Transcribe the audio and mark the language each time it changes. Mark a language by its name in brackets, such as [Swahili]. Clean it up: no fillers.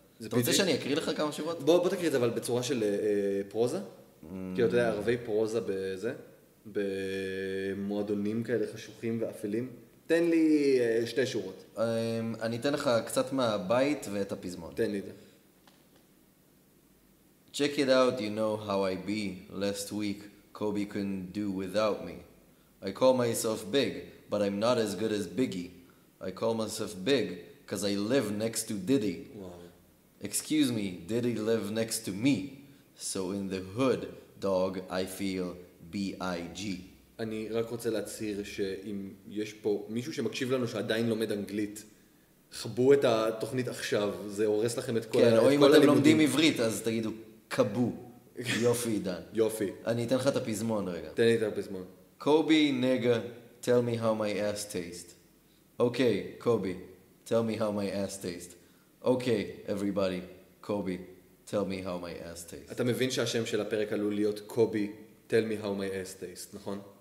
[Hebrew] אתה רוצה שאני אקריא לך כמה שורות? בוא תקריא את זה, אבל בצורה של פרוזה. כי אתה יודע, ערבי פרוזה בזה, במועדונים כאלה חשוכים ואפלים. תן לי שתי שורות. אני אתן לך קצת מהבית ואת הפזמון. תן לי את זה. [English] Check it out, you know how I be. Last week, Kobe couldn't do without me. I call myself big. But I'm not as good as Biggie. I call myself Big because I live next to Diddy. Wow. Excuse me, Diddy live next to me. So in the hood, dog, I feel B-I-G. [Hebrew] אני רק רוצה להצהיר שאם יש פה מישהו שמקשיב לנו שעדיין לומד אנגלית, חבו את התוכנית עכשיו, זה הורס לכם את כל הלימודים. כן, או אם אתם לומדים עברית, אז תגידו, קבו. יופי, עידן. יופי. אני אתן לך את הפזמון רגע. תן לי את הפזמון. [English] קובי, נגה. Tell me how my ass tastes. Okay, Kobe. Tell me how my ass tastes. Okay, everybody. Kobe. Tell me how my ass tastes. [Hebrew] אתה מבין שהשם של הפרק עלול להיות Kobe. [English] Tell me how my ass tastes, [Hebrew] נכון?